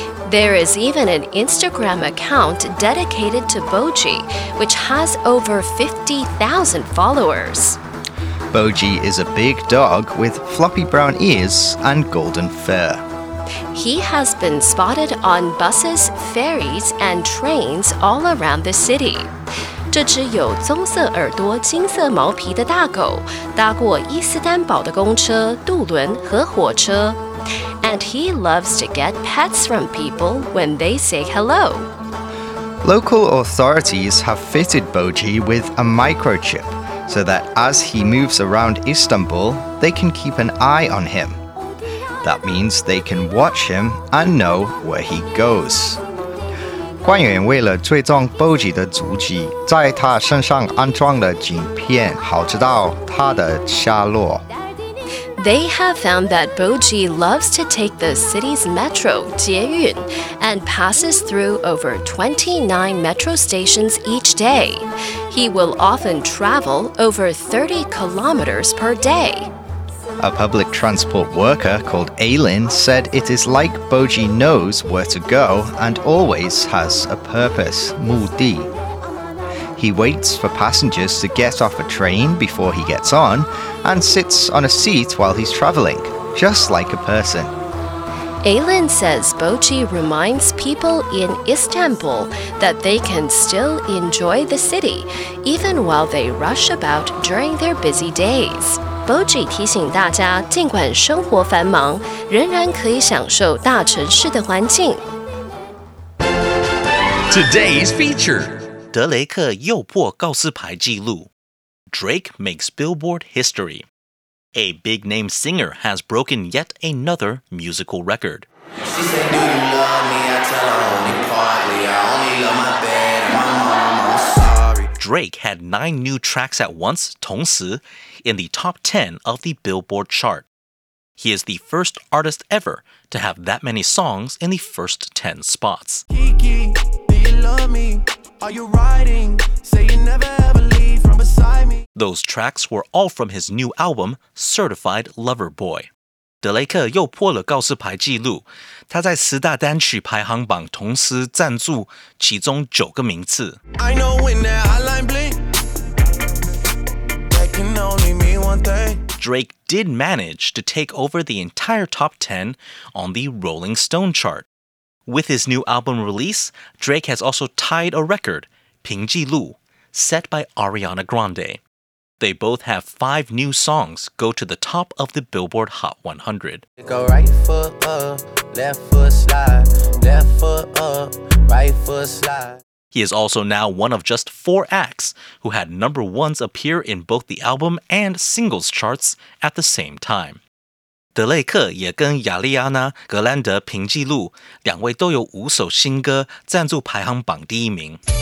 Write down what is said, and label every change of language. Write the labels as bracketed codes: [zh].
[en] There is even an Instagram account dedicated to Boji, which has over 50,000 followers. Boji is a big dog with floppy brown ears and golden fur. He has been spotted on buses, ferries, and trains all around the city. [zh] 这只有棕色耳朵、金色毛皮的大狗搭过伊斯坦堡的公车、渡轮和火车。 [en] And he loves to get pets from people when they say hello. Local authorities have fitted Boji with a microchip so that as he moves around Istanbul, they can keep an eye on him. That means they can watch him and know where he goes. [zh] 官员为了追踪 Boji 的足迹，在他身上安装了镜片，好知道他的下落。 [en] They have found that Boji loves to take the city's metro, 捷运, and passes through over 29 metro stations each day. He will often travel over 30 kilometers per day. A public transport worker called Aileen said it is like Boji knows where to go and always has a purpose, 目的. He waits for passengers to get off a train before he gets on and sits on a seat while he's traveling, just like a person. Aylin says Bochi reminds people in Istanbul that they can still enjoy the city, even while they rush about during their busy days. [zh] Bochi 提醒大家，尽管生活繁忙，仍然可以享受大城市的环境。 [en] Today's feature. [zh] 德雷克又破告示牌记录。 [en] Drake makes Billboard history. A big name singer has broken yet another musical record. She said, do you love me? I tell her only partly. I only love my bed and my mom. I'm sorry. Drake had 9 new tracks at once, 同时, in the top 10 of the Billboard chart. He is the first artist ever to have that many songs in the first 10 spots. Kiki. Love me, are you riding? Say you never ever leave from beside me. Those tracks were all from his new album, Certified Lover Boy. [zh] 德雷克又破了告示牌记录，他在十大单曲排行榜同时占据其中九个名次。 [en] I know when that hotline bling, that can only mean one thing. Drake did manage to take over the entire top 10 on the Rolling Stone chart. With his new album release, Drake has also tied a record, 平记录, set by Ariana Grande. They both have 5 new songs go to the top of the Billboard Hot 100. Go right foot up, left foot slide, left foot up, right foot slide. He is also now one of just 4 acts who had number ones appear in both the album and singles charts at the same time. [zh] 德雷克也跟亚利亚娜·格兰德平记录，两位都有五首新歌占据排行榜第一名。